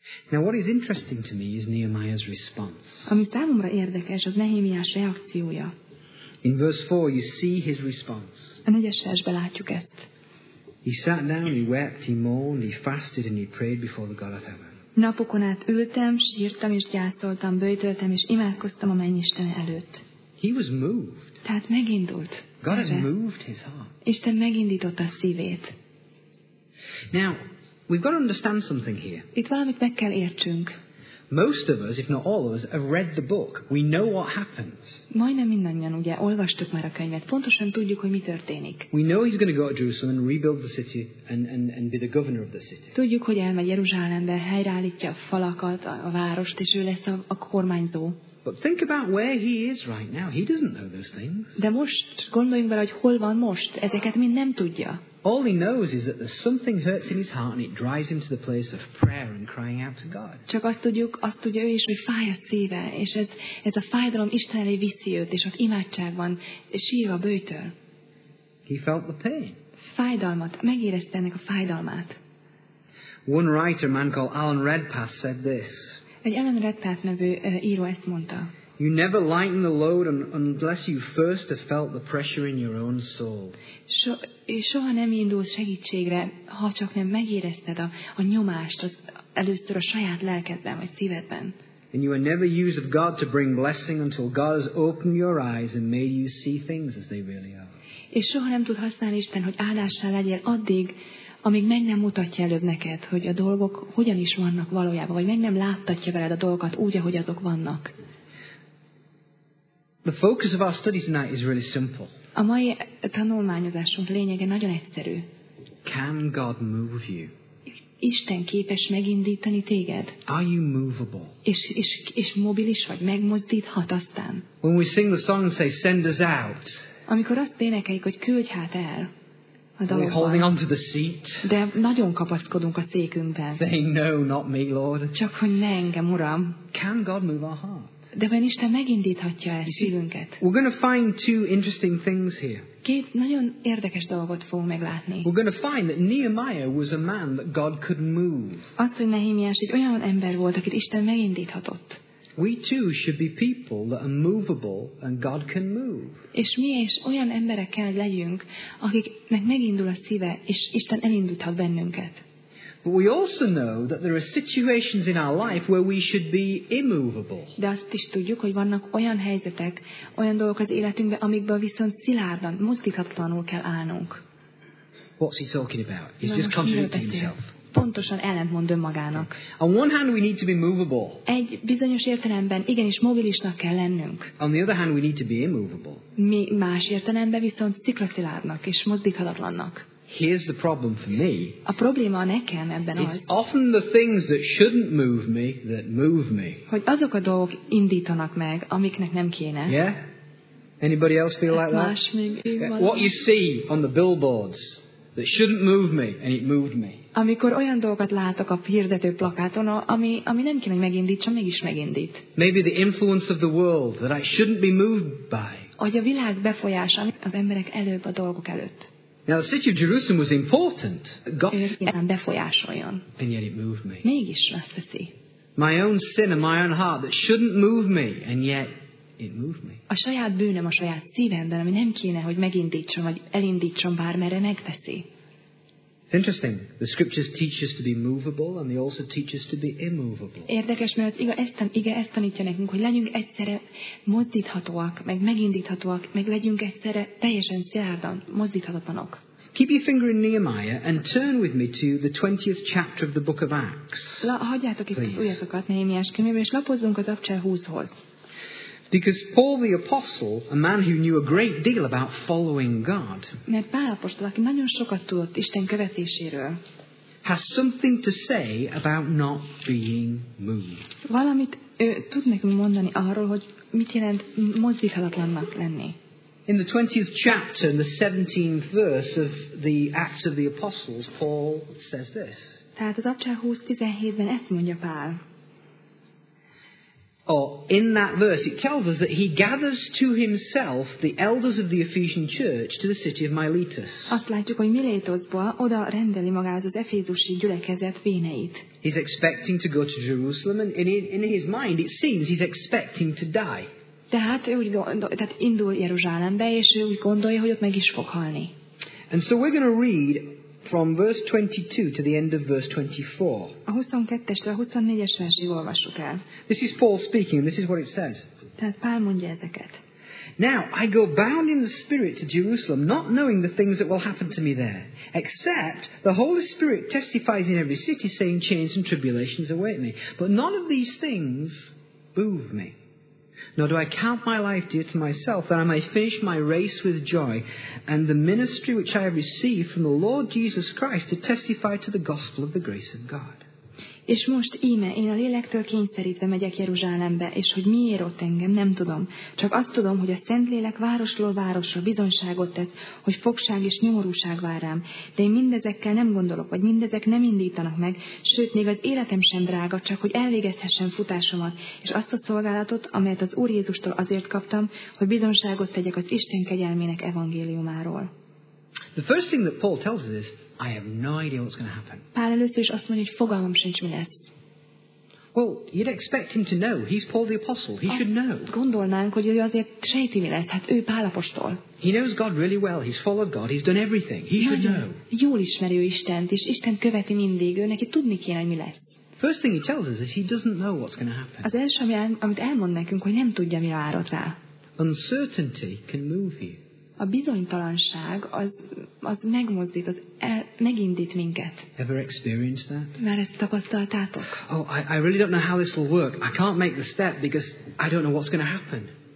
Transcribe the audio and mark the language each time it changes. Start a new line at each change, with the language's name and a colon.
English: Now what is interesting to me is Nehemiah's response.
Hungarian: Ami számomra érdekes, az Nehémiás reakciója.
English: In verse 4 you see his response.
Hungarian: A negyes versben látjuk ezt.
English: He sat down, he wept, he mourned, he fasted and he prayed before the God of heaven.
Hungarian: Napokon át ültem, sírtam és gyászoltam, böjtöltem és imádkoztam a mennyisten előtt.
English: He was moved.
Hungarian: Tehát megindult.
English: God has moved his heart.
Hungarian: Isten megindította a szívét.
English: Now, we've got to understand something here.
Hungarian: Itt valamit meg kell értsünk.
English: Most of us, if not all of us, have read the book. We know what happens.
Hungarian: Majdnem mindannyian, ugye, olvastuk már a könyvet. Pontosan tudjuk, hogy mi történik.
English: We know he's going to go to Jerusalem and rebuild the city and be the governor of the city.
Hungarian: Tudjuk, hogy elmegy Jeruzsálembe, helyreállítja a falakat, a várost, és ő lesz a kormányzó.
English: But think about where he is right now. He doesn't know those things.
Hungarian: De most gondoljunk bele, hogy hol van most. Ezeket mind nem tudja.
English: All he knows is that there's something hurts in his heart and it drives him to the place of prayer and crying out to God.
Hungarian: Csak azt tudja ő is, hogy fáj a szíve, és ez a fájdalom Isten elé viszi őt, és ott imádságban sír a bőjtől.
English: He felt the pain.
Hungarian: Fájdalmat, megérezte ennek a fájdalmát.
English: One writer, a man called Alan Redpath, said this.
Hungarian: Egy Alan Redpath nevű író ezt mondta.
English: You never lighten the load unless you first have felt the pressure in your own soul.
Hungarian: Soha nem indulsz segítségre, ha csak nem megérezted a nyomást az először a saját lelkedben vagy szívedben.
English: And you are never used of God to bring blessing until God has opened your eyes and made you see things as they really are.
Hungarian: És soha nem tud használni Isten, hogy áldással legyél addig, amíg meg nem mutatja előbb neked, hogy a dolgok hogyan is vannak valójában, vagy meg nem láttatja veled a dolgokat úgy, ahogy azok vannak.
English: The focus of our study tonight is really simple.
Hungarian: A mai tanulmányozásunk lényege nagyon egyszerű.
English: Can God move you?
Hungarian: Isten képes megindítani téged?
English: Are you movable?
Hungarian: És mobilis vagy, megmozdíthat aztán?
English: When we sing the song and say, send us out.
Hungarian: Amikor azt énekeljük, hogy küldj hát el.
English: We're holding on to the seat.
Hungarian: De nagyon kapaszkodunk a székünkben.
English: They know not me, Lord.
Hungarian: Csak hogy ne engem, Uram.
English: Can God move our heart?
Hungarian: De vajon Isten megindíthatja el szívünket?
English: We're going to find two interesting things here.
Hungarian: Két nagyon érdekes dolgot fogunk meglátni.
English: We're going to find that Nehemiah was a man that God could move.
Hungarian: Azt, hogy Nehémiás egy olyan ember volt, akit Isten megindíthatott.
English: We too should be people that are movable and God can move.
Hungarian: És mi is olyan emberek kell legyünk, akiknek megindul a szíve, és Isten elindíthat bennünket.
English: But we also know that there are situations in our life where we should be immovable.
Hungarian: De azt is tudjuk, hogy vannak olyan helyzetek, olyan dolgok az életünkben, amikben viszont szilárdan, mozdíthatatlanul kell állnunk.
English: What's he talking about? He's just contradicting himself.
Hungarian: Pontosan ellentmond önmagának.
English: On one hand we need to be movable.
Hungarian: Egy bizonyos értelemben igenis mobilisnak kell lennünk.
English: On the other hand we need to be immovable.
Hungarian: Mi más értelemben viszont sziklaszilárdnak és mozdíthatatlannak.
English: Here's the problem for me.
Hungarian: A probléma nekem ebben az.
English: It's often the things that shouldn't move me that move me.
Hungarian: Hogy azok a dolgok indítanak meg, amiknek nem kéne.
English: Yeah? Anybody else feel like that?
Hungarian: Más még én valami.
English: What you see on the billboards that shouldn't move me and it moved me.
Hungarian: Amikor olyan dolgokat látok a hirdető plakáton, ami nem kéne, hogy megindítsa, mégis megindít.
English: Maybe the influence of the world that I shouldn't be moved by.
Hungarian: Hogy a világ befolyása, az emberek előbb a dolgok előtt.
English: Now the city of Jerusalem was important.
Hungarian: God befolyásoljon.
English: And yet it moved me.
Hungarian: Mégis azt teszi.
English: My own sin and my own heart that shouldn't move me, and yet it moved me.
Hungarian: A saját bűnöm a saját szívemben, ami nem kéne, hogy megindítson vagy elindítson bármerre, megteszi.
English: It's interesting. The scriptures teach us to be movable, and they also teach us to be immovable.
Hungarian: Érdekes, mert az ige ezt tanítja nekünk, hogy legyünk egyszerre mozdíthatóak, meg megindíthatóak, meg legyünk egyszerre teljesen szilárdan mozdíthatatlanok.
English: Keep your finger in Nehemiah and turn with me to the 20th chapter of the book of Acts.
Hungarian: Hagyjátok itt az ujjatokat Nehémiás könyvéből, és lapozzunk az Apcsel 20-hoz.
English: Because Paul the apostle, a man who knew a great deal about following God,
Hungarian: mert Pál apostol, aki nagyon sokat tudott Isten követéséről,
English: has something to say about not being moved.
Hungarian: Valamit tud nekünk mondani arról, hogy mit jelent mozdíthatatlannak lenni.
English: In the 20th chapter, in the 17th verse of the Acts of the Apostles, Paul says this.
Hungarian: Tehát az Apcsák 20:17-ben ezt mondja Pál.
English: Oh, in that verse, it tells us that he gathers to himself the elders of the Ephesian church to the city of Miletus.
Hungarian: Azt látjuk, hogy Miletusból oda rendeli magát az efézusi gyülekezet véneit.
English: He's expecting to go to Jerusalem, and in his mind, it seems he's expecting to die.
Hungarian: Tehát indul Jeruzsálembe, és ő úgy gondolja, hogy ott meg is fog halni.
English: And so we're going to read from verse 22 to the end of verse 24.
Hungarian: A 22-től a 24-es versig olvassuk el.
English: This is Paul speaking, and this is what it says.
Hungarian: Tehát Pál mondja ezeket.
English: Now I go bound in the Spirit to Jerusalem, not knowing the things that will happen to me there, except the Holy Spirit testifies in every city, saying chains and tribulations await me. But none of these things move me. Nor do I count my life dear to myself, that I may finish my race with joy, and the ministry which I have received from the Lord Jesus Christ to testify to the gospel of the grace of God.
Hungarian: És most íme, én a lélektől kényszerítve megyek Jeruzsálembe, és hogy miért ott engem, nem tudom. Csak azt tudom, hogy a Szentlélek városról városra bizonyságot tesz, hogy fogság és nyomorúság vár rám. De én mindezekkel nem gondolok, vagy mindezek nem indítanak meg, sőt, még az életem sem drága, csak hogy elvégezhessem futásomat, és azt a szolgálatot, amelyet az Úr Jézustól azért kaptam, hogy bizonyságot tegyek az Isten kegyelmének evangéliumáról.
English: The first thing that Paul tells us is, I have no idea what's going to happen.
Hungarian: Pál először is azt mondja, hogy fogalmam sincs, mi lesz.
English: Well, you'd expect him to know. He's Paul the Apostle. He should know.
Hungarian: Gondolnánk, hogy ő azért sejti, mi lesz. Hát ő Pál apostol.
English: He knows God really well. He's followed God. He's done everything. He should know.
Hungarian: Jól ismeri ő Istent, és Isten követi mindig. Ő neki tudni kéne, hogy mi lesz.
English: First thing he tells us is he doesn't know what's going to happen.
Hungarian: Az első, amit elmond nekünk, hogy nem tudja, mi vár rá.
English: Uncertainty can move you.
Hungarian: A bizonytalanság az megmozdít, az megindít minket.
English: Ever experienced that?
Hungarian: Már ezt tapasztaltátok?
English: Oh, I really don't know how this will work. I can't make the step because I don't know what's going to happen.